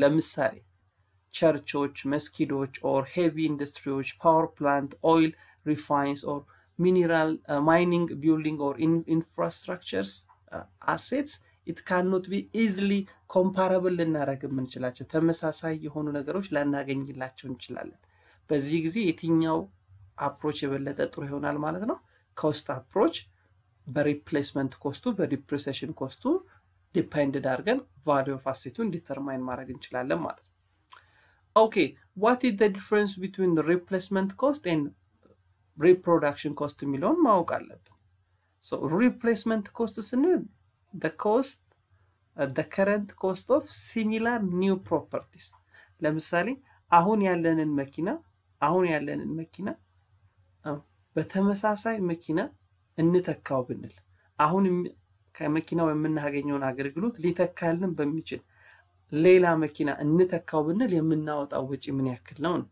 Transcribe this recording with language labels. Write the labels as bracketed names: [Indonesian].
[Amharic] ለምሳሌ ቸርቾች, መስጊዶች, [English] or heavy industries, power plant, oil refines, or mineral mining building or infrastructures assets, it cannot be easily comparable [Amharic] ልናረግም እንችላለን. ተመሳሳይ የሆኑ ነገሮች ላናገኝላቸው እንችላለን. በዚህ ጊዜ የትኛው አፕሮች የበለጠ ጥሩ ይሆናል ማለት ነው? [English] cost approach [Amharic] በሪፕሌስመንት ኮስቱ በዲፕሪሲሽን ኮስቱ ዲፔንድ አድርገን ቫልዩ ኦፍ አሴቱን ዲተርማይን ማድረግ እንችላለን ማለት ነው. [English] ኦኬ, what is the difference between the replacement cost and reproduction cost [Amharic] ሚለውን ማወቅ አለብን. [English] so replacement cost is the current cost of similar new properties. [Amharic] ለምሳሌ አሁን ያለንን መኪና በተመሳሳይ መኪና እንተካው ብንል, አሁን ከመኪናው የምናገኘውን አገልግሎት ሊተካልን በሚችል ሌላ መኪና እንተካው ብንል የምናወጣው ወጪ ምን ያክል ነው?